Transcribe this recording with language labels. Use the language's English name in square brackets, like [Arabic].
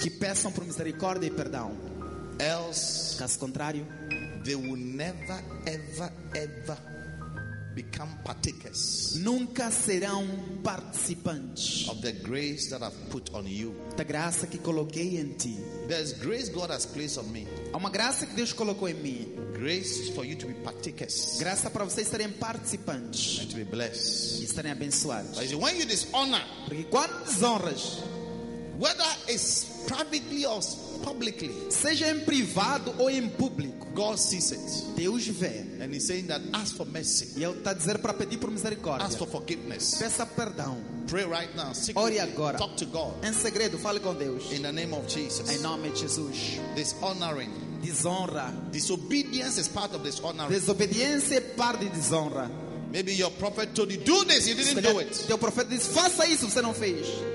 [Portuguese] Que peçam por misericórdia e perdão. [English] Else, [Portuguese] caso contrário, [English] they will never, ever, ever become partakers. [Portuguese] Nunca serão participantes [English] of the grace that I've put on you. [Portuguese] Da graça que coloquei em ti. [English] There's grace God has placed on me. [Portuguese] Há uma graça que Deus colocou em mim. [English] Grace for you to be partakers. [Portuguese] Graça para vocês serem participantes. [English] And to be blessed. [Portuguese] E serem abençoados. [English] But when you dishonor, [Portuguese] porque quando desonras, [English] whether it's privately or publicly, [Portuguese] seja em privado ou em público, [English] God sees it. [Portuguese] Deus vê. [English] And he's saying that ask for mercy. [Portuguese] E ele está dizendo para pedir por misericórdia. [English] Ask for forgiveness. [Portuguese] Peça perdão. [English] Pray right now. [Portuguese] Ore agora. [English] Talk to God. [Portuguese] Em segredo, fale com Deus. [English] In the name of Jesus. [Portuguese] Em nome de Jesus. [English] Dishonoring. [Portuguese] Desonra. [English] Disobedience is part of dishonoring. [Portuguese] Desobediência é parte de desonra. [English] Maybe your prophet told you do this, you didn't do it. [Portuguese] Teu profeta disse faça isso, você não fez.